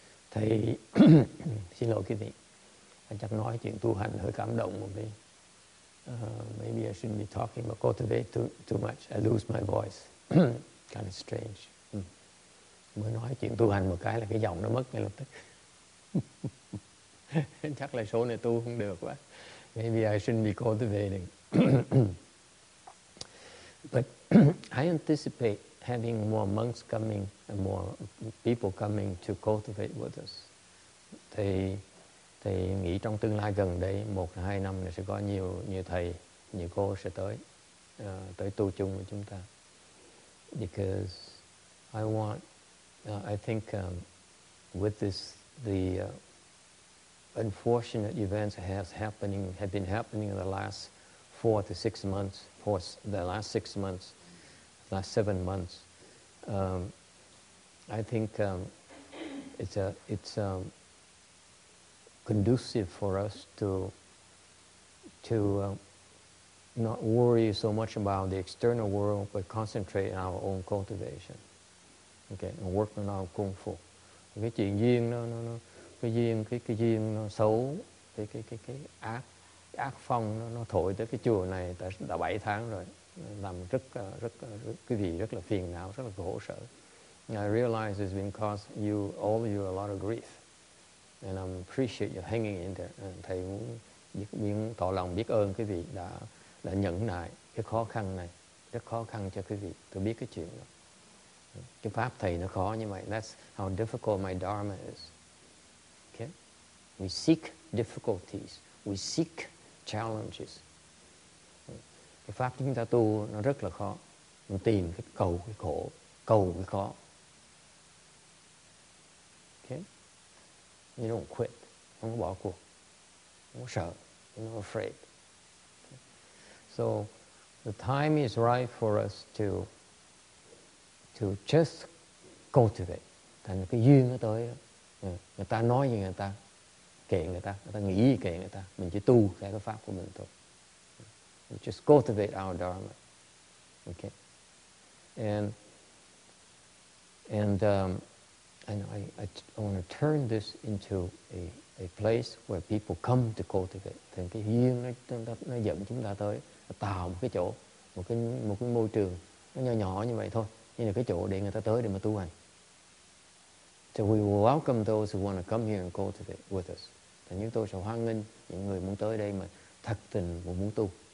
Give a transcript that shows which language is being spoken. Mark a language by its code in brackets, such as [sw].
[vi] Thầy xin lỗi quý vị, anh chắc nói chuyện tu hành hơi cảm động một tí. [en] Maybe I shouldn't be talking about cultivate too much. I lose my voice. Kind of strange. [vi] Mới nói chuyện tu hành một cái là cái giọng nó mất ngay lập tức. Chắc là số này tu không được quá. [en] Maybe I shouldn't be cultivating. But I anticipate having more monks coming and more people coming to cultivate with us. [vi] Thầy nghĩ trong tương lai gần đây, 1-2 năm này sẽ có nhiều thầy, nhiều cô sẽ tới tu chung với chúng ta. [en] Because I think with this, the unfortunate events have been happening in the last 4 to 6 months, last 7 months, I think it's conducive for us to not worry so much about the external world, but concentrate on our own cultivation. Okay, and work on our kung fu. [vi] Cái chuyện duyên nó cái duyên nó xấu, cái ác phong nó thổi tới cái chùa này đã 7 tháng rồi, làm rất quý vị rất là phiền não, rất là khổ sở. [en] And I realize it's been causing you all of you a lot of grief, and I appreciate you hanging in there. [vi] Thầy muốn tỏ lòng biết ơn quý vị đã nhẫn nại cái khó khăn này, rất khó khăn cho quý vị. Tôi biết cái chuyện đó. Cái pháp thầy nó khó như vậy. [en] That's how difficult my dharma is. Okay, we seek difficulties, we seek challenges. [vi] Cái pháp chúng ta tu nó rất là khó. Mình tìm cái cầu cái khổ, cầu cái khó. [en] Okay, you don't quit, [vi] không có bỏ cuộc, không có sợ, [en] you're not afraid. Okay. So the time is right for us to just cultivate. [vi] Thành cái duyên nó tới đó. Người ta nói gì người ta, kệ người ta nghĩ gì kệ người ta. Mình chỉ tu theo cái pháp của mình thôi. [en] We just cultivate our dharma. Okay. And I want to turn this into a place where people come to cultivate. [vi] Thành cái duyên nó dẫn chúng ta tới, nó tạo một cái chỗ, một cái môi trường nó nhỏ nhỏ như vậy thôi. Như là cái chỗ để người ta tới để mà tu hành. [en] So we will welcome those who want to come here and cultivate with us. [vi] Thành chúng tôi sẽ hoan nghênh những người muốn tới đây mà thật tình muốn tu.